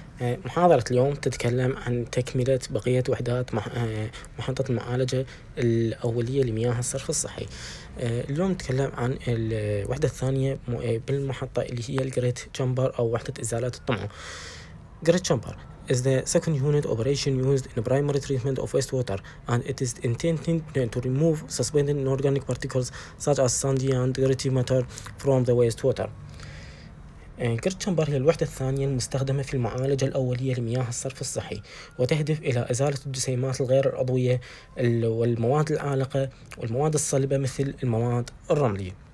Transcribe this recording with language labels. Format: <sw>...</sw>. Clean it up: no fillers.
<ar>محاضرة اليوم تتكلم عن تكملة بقية وحدات محطة المعالجة الأولية لمياه الصرف الصحي. اليوم نتكلم عن الوحدة الثانية بالمحطة اللي هي الجريت تشامبر أو وحدة إزالة الطمأ.</ar> <en>Grit chamber is the second unit operation used in primary treatment of wastewater, and it is intended to remove suspended inorganic particles such as sandy and gritty matter from the wastewater.</en> <ar>جريت تشامبر هي الوحدة الثانية المستخدمة في المعالجة الأولية لمياه الصرف الصحي، وتهدف إلى إزالة الجسيمات الغير عضوية والمواد العالقة والمواد الصلبة مثل المواد الرملية.</ar>